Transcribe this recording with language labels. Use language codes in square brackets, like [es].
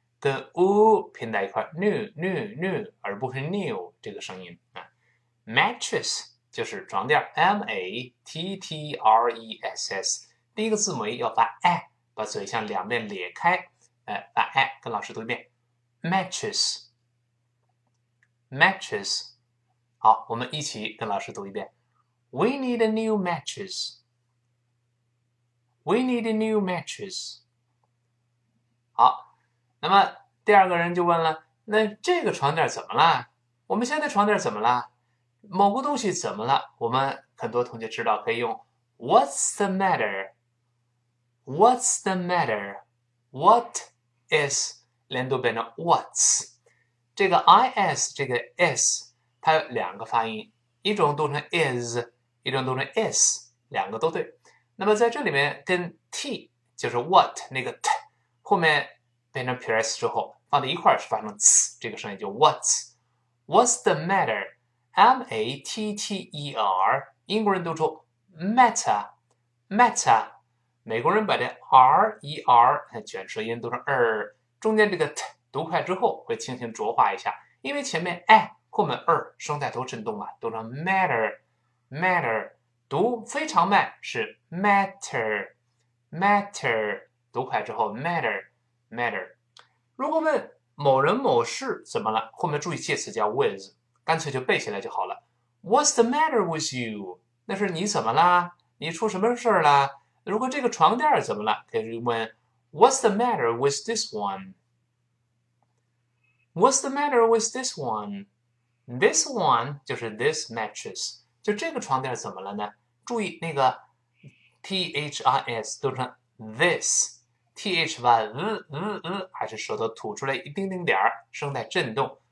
[zh] 跟 u 拼在一块，new new new，而不是 new 这个声音啊。 mattress 就是床垫，m a t t r e s s，第一个字母要发 a，把嘴向两面咧开，发 a，跟老师读一遍，mattress，mattress，mattress。好，我们一起跟老师读一遍， [en] we need a new mattress， [zh] we need a new mattress。好，那么。第二个人就问了：“那这个床垫怎么了？我们现在床垫怎么了？某个东西怎么了？” 我们很多同学知道可以用 [en] "What's the matter？What's the matter？What is？" [zh] 连读变成 "What's？" 这个 "is" 这个 "is"，它有两个发音，一种读成 "is"，一种读成 "is"，两个都对。那么在这里面跟 "t" 就是 "what" 那个 "t" 后面变成 "ps" 之后。放在一块儿是发成 "ts" 这个声音，就 [en] "What's the matter？" [zh] M A T T E R，英国人读出 "matter"，matter，美国人把这 R E R 卷舌音读成 "er"，中间这个 "t" 读快之后会轻轻浊化一下，因为前面 "a"，后面 "er"，声带都震动了，读成 "matter"，matter，读非常慢是 "matter"，matter，读快之后 "matter"，matter。如果问某人某事怎么了，后面注意介词加 with，干脆就背下来就好了。 [en] What's the matter with you？ [zh] 那是你怎么啦？你出什么事儿啦？如果这个床垫怎么了，可以问 [en] What's the matter with this one？ [zh] What's the matter with this one？This one 就是 this mattress，就这个床垫怎么了呢？注意那个 THIS 读成 this。 th 发还是舌头吐出来一丁丁点儿，声带震动。